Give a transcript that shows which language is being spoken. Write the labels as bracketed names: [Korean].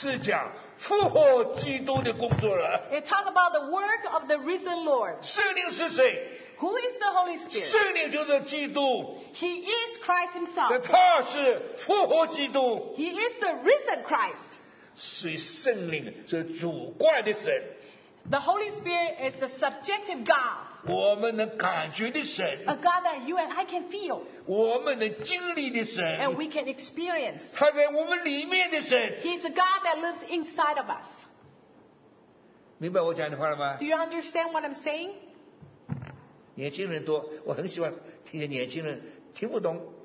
[Chinese] 是讲复活基督的工作了。 [English] It talks about the work of the risen Lord. [Chinese] 圣灵是谁？ [English] Who is the Holy Spirit? [Chinese] 圣灵就是基督。 [English] He is Christ Himself. [Chinese] 他是复活基督。 [English] He is the risen Christ. [Chinese] 是圣灵，是主观的神。 [English] The Holy Spirit is the subjective God. [Chinese] 我们能感觉的神。 [English] A God that you and I can feel. [Chinese] 我们能经历的神。 [English] And we can experience. [Chinese] 他在我们里面的神。 [English] He is a God that lives inside of us. [Chinese] 明白我讲的话了吗？ [English] Do you understand what I'm saying? [Chinese] 年轻人多，我很喜欢听见年轻人听不懂。